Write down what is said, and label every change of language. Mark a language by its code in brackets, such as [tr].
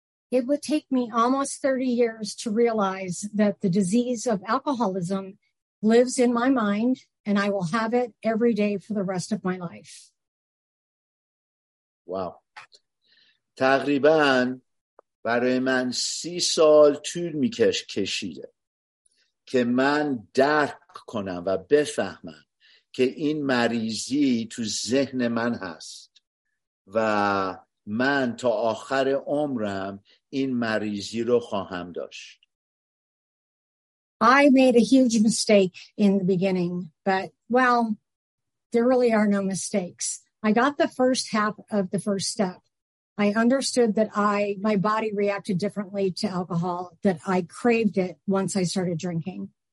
[en] It would take me almost 30 years to realize that the disease of alcoholism lives in my mind and I will have it every day for the rest of my life. Wow. [fa] تقریباً برای من 30 سال طول می‌کشیده که من درک کنم و بفهمم که این مریضی تو ذهن من هست و من تا آخر عمرم این مریضی رو خواهم داشت. [en] I made a huge mistake in the beginning, but well, there really are no mistakes. I got the first half of the first step. I understood that my body reacted differently to alcohol, that I craved it once I started drinking.